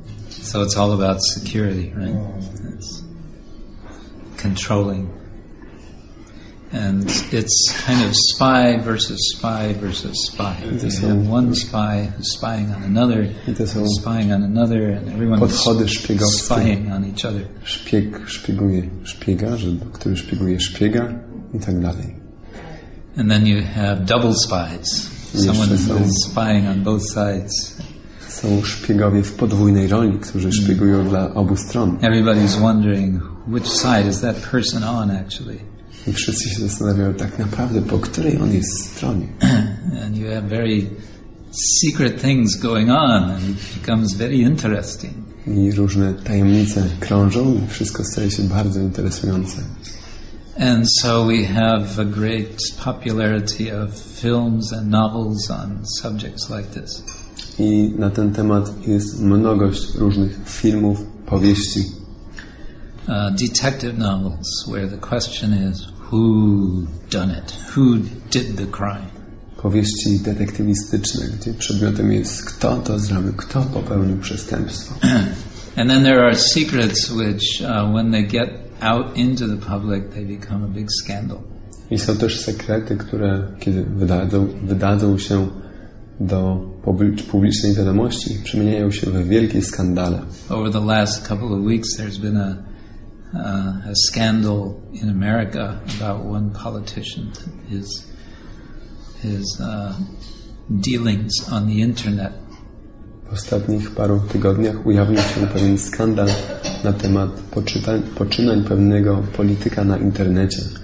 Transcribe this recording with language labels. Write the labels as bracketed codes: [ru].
[en] So it's all about security, right? It's controlling. And it's kind of spy versus spy versus spy. You have one spy who's spying on another, spying on another, and everyone's spying on each other. [pl] Szpieg szpieguje szpiega, który szpieguje szpiega, i tak dalej. [en] And then you have double spies. Someone is spying on both sides. [pl] Są szpiegowie w podwójnej roli, którzy szpiegują dla obu stron. [en] Everybody's wondering which side is that person on, actually. [pl] I wszyscy się zastanawiają tak naprawdę, po której on jest stronie. [en] And you have very secret things going on and it becomes very interesting. [pl] I różne tajemnice krążą i wszystko staje się bardzo interesujące. [en] And so we have a great popularity of films and novels on subjects like this. [pl] I na ten temat jest mnogość różnych filmów, powieści. [en] Detective novels, where the question is, who done it? Who did the crime? [pl] Powieści detektywistyczne, gdzie przedmiotem jest, kto to zrobił, kto popełnił przestępstwo. [en] And then there are secrets which, when they get out into the public, they become a big scandal. [pl] I są też sekrety, które kiedy wydadzą się do publicznej wiadomości przemieniają się w wielkie skandale. [en] Over the last couple of weeks there's been a scandal in America about one politician, his dealings on the internet. [pl] W ostatnich paru tygodniach ujawnił się pewien skandal na temat poczynań pewnego polityka na internecie.